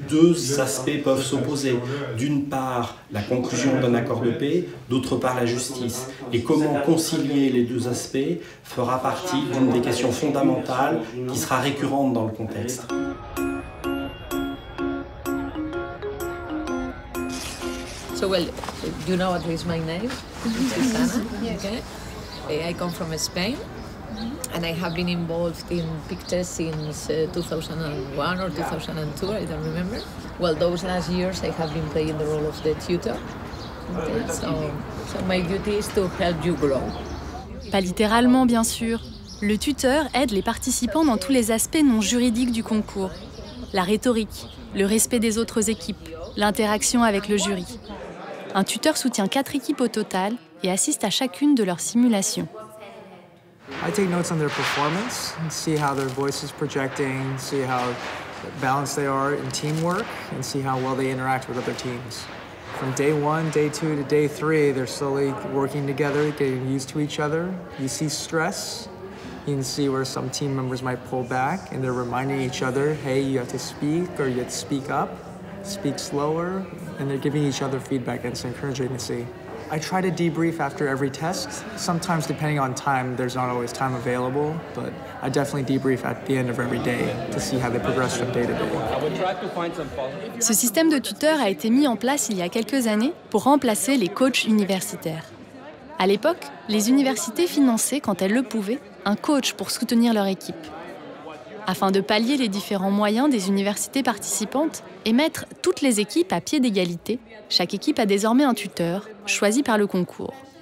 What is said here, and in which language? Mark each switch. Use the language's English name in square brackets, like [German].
[French] Deux aspects peuvent s'opposer. D'une part, la conclusion d'un accord de paix, d'autre part, la justice. Et comment concilier les deux aspects fera partie d'une des questions fondamentales qui sera récurrente dans le contexte. [English] So, well, you know at least my name, Susana. Yes. Okay. I come from Spain, mm-hmm. and I have been involved in PICTES since 2001 or 2002, I don't remember. Well, those last years I have been playing the role of the tutor. Okay. So my duty is to help you grow. [French] Pas littéralement, bien sûr. Le tuteur aide les participants dans tous les aspects non juridiques du concours. La rhétorique, le respect des autres équipes, l'interaction avec le jury. Un tuteur soutient quatre équipes au total et assiste à chacune de leurs simulations. [English] I take notes on their performance and see how their voice is projecting, see how balanced they are in teamwork and see how well they interact with other teams. From day one, day two to day three, they're slowly working together, getting used to each other. You see stress, you can see where some team members might pull back and they're reminding each other, hey, you have to speak or you have to speak up. Speak slower, and they're giving each other feedback and it's encouraging to see. I try to debrief after every test. Sometimes, depending on time, there's not always time available, but I definitely debrief at the end of every day to see how they progress from day to day. [French] Ce système de tuteurs a été mis en place il y a quelques années pour remplacer les coachs universitaires. À l'époque, les universités finançaient, quand elles le pouvaient, un coach pour soutenir leur équipe. Afin de pallier les différents moyens des universités participantes et mettre toutes les équipes à pied d'égalité, chaque équipe a désormais un tuteur, choisi par le concours.